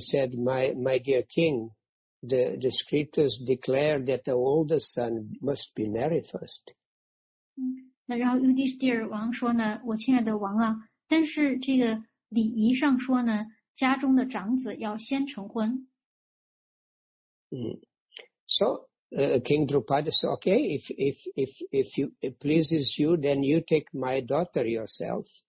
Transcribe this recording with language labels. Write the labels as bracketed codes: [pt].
[en] said, my dear king, the scriptures declare that the oldest son must be married first. [zh] 那然后Yudhishthira王说呢，我亲爱的王啊。但是这个礼仪上说呢，家中的长子要先成婚。 [en] So King Drupada said, okay, if it pleases you, then you take my daughter yourself.